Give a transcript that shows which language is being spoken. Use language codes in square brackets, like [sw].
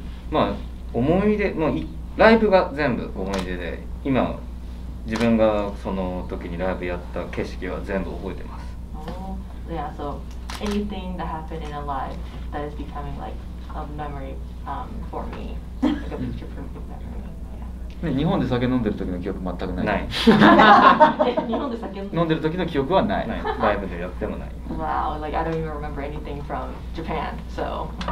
[ja] まあ思い出、もうライブが全部思い出で、今自分がその時にライブやった景色は全部覚えてます。 [en] Oh, yeah. So anything that happened in a live that is becoming like a memory for me, like a picture for me. [ja] 日本で酒飲んでる時の記憶全くない。ない。日本で酒飲んでる時の記憶はない。ない。ライブでやってもない。 [en] Wow, like I don't even remember anything from Japan, so.